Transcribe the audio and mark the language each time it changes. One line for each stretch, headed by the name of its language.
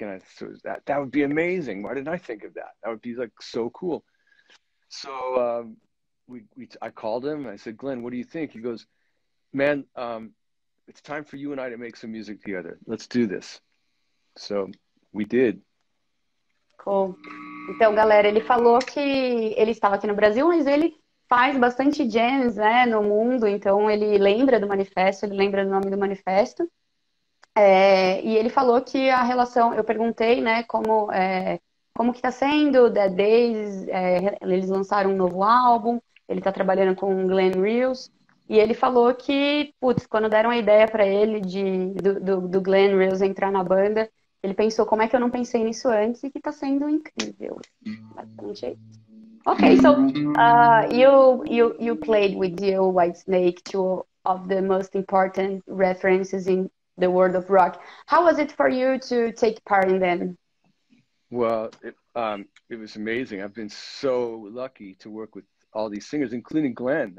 English: And I said, that would be amazing. Why didn't I think of that? That would be like so cool. So I called him. I said, Glenn, what do you think? He goes, man, it's time for you and I to make some music together. Let's do this. So we did. Cool.
Portuguese: Então, galera, ele falou que ele estava aqui no Brasil, mas ele faz bastante jams, né, no mundo. Então ele lembra do manifesto, ele lembra do nome do manifesto. E ele falou que a relação, eu perguntei, né, como que tá sendo, Dead Days, eles lançaram um novo álbum, ele tá trabalhando com Glenn Reels, e ele falou que, putz, quando deram a ideia pra ele do Glenn Reels entrar na banda, ele pensou, como é que eu não pensei nisso antes, e que tá sendo incrível. Bastante.
English: Ok, so, you played with the Whitesnake, two of the most important references in the world of rock. How was it for you to take part in them? Well, it was amazing. I've been so lucky to work with all these singers, including Glenn.